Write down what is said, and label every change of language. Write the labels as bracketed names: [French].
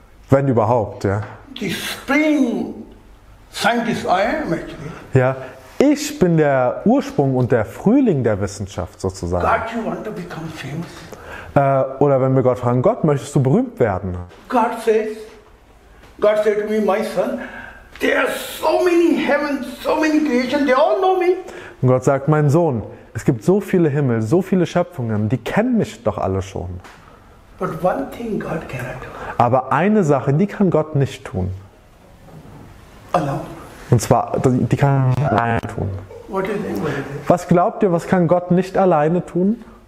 [German] Wenn überhaupt, ja. [English] The supreme scientist I am, actually. [German] Ja, ich bin der Ursprung und der Frühling der Wissenschaft sozusagen. [English] God, you want to become famous? [German] Oder wenn wir Gott fragen, Gott, möchtest du berühmt werden? [English] God said to me, my son, There are so many heavens, so many creations, they all know me. [German] Und Gott sagt, mein Sohn, es gibt so viele Himmel, so viele Schöpfungen, die kennen mich doch alle schon. [English] But one thing God cannot do. [German] Aber eine Sache, die kann Gott nicht tun. [English] Alone. [German] Und zwar, die kann er nicht alleine tun. Was glaubt ihr, was kann Gott nicht alleine tun?